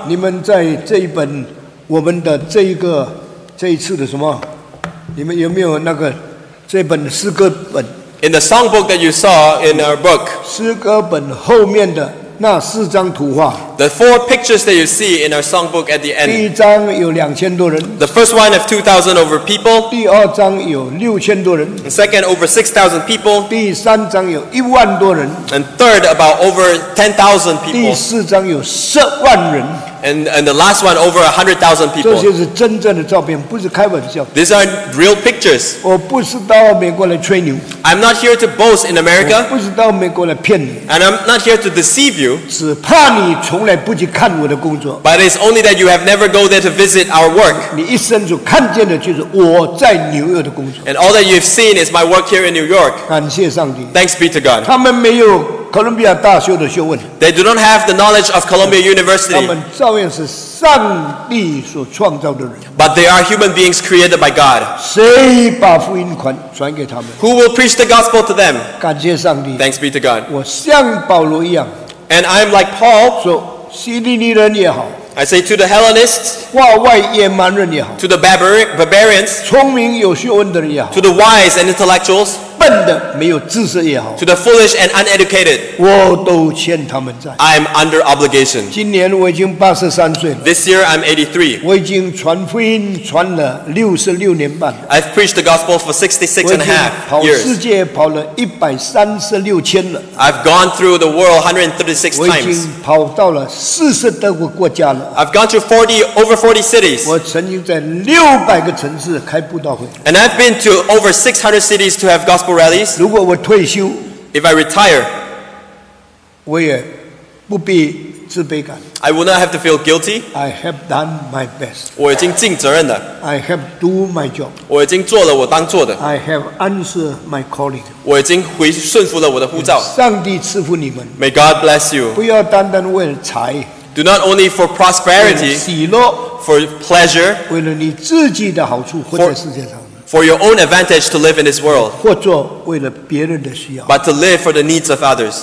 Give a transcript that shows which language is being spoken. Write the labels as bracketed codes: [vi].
[zh] 你们在这一本, 我们的这一个, 这一次的什么, 你们有没有那个这本诗歌本? [en] In the songbook that you saw in our book, [zh] 诗歌本后面的那四张图画, [en] the four pictures that you see in our songbook at the end, [zh] 第一张有2000多人, [en] the first one of 2,000 over people, [zh] 第二张有6000多人, [en] the second over 6,000 people, [zh] 第三张有10,000多人, [en] and third about over 10,000 people, [zh] 第四张有100,000人, [en] And the last one over 100,000 people. [zh] 这些是真正的照片, 不是开玩笑, [en] these are real pictures. [zh] 我不是到美国来吹牛, [en] I'm not here to boast in America. [zh] 我不是到美国来骗你, [en] and I'm not here to deceive you. [zh] 只怕你从来不去看我的工作, [en] but it's only that you have never go there to visit our work. [zh] 你一生就看见的就是我在纽约的工作, [en] and all that you've seen is my work here in New York. [zh] 感谢上帝, [en] thanks be to God. [zh] 他们没有 Columbia 大学的学问, [en] they do not have the knowledge of Columbia University. [zh] 他们照样是上帝所创造的人, [en] but they are human beings created by God. [zh] 谁把福音传给他们? [en] Who will preach the gospel to them? [zh] 感谢上帝, [en] thanks be to God. [zh] 我像保罗一样, [en] and I am like Paul. [zh] 说希利尼人也好, [en] I say to the Hellenists, [zh] 话外野蛮人也好, [en] to the barbarians, [zh] 聪明有学问的人也好, [en] to the wise and intellectuals, [zh] 笨的没有知识也好, [en] to the foolish and uneducated, [zh] 我都欠他们债, [en] I am under obligation. [zh] 今年我已经83岁了, [en] this year I'm 83. [zh] 我已经传福音传了66年半, [en] I've preached the gospel for 66 and a half years. [zh] 我已经跑世界跑了136千了, [en] I've gone through the world 136 times. [zh] 我已经跑到了40多个国家了, [en] I've gone to 40, over 40 cities. [zh] 我曾经在600个城市开布道会, [en] and I've been to over 600 cities to have gospel rallies. [zh] 如果我退休, [en] if I retire, [zh] 我也不必自卑感, [en] I will not have to feel guilty. I have done my best. [zh] 我已经尽责任了, [en] I have done my job. [zh] 我已经做了我当做的, [en] I have answered my calling. [zh] 我已经顺服了我的呼召, 上帝赐福你们, [en] may God bless you. [zh] 不要单单为了财, [en] do not only for prosperity, [zh] 为了喜乐, [en] for pleasure, [zh] 为了你自己的好处, 或者世界上, [en] for your own advantage to live in this world, [zh] 或做为了别人的需要, [en] but to live for the needs of others.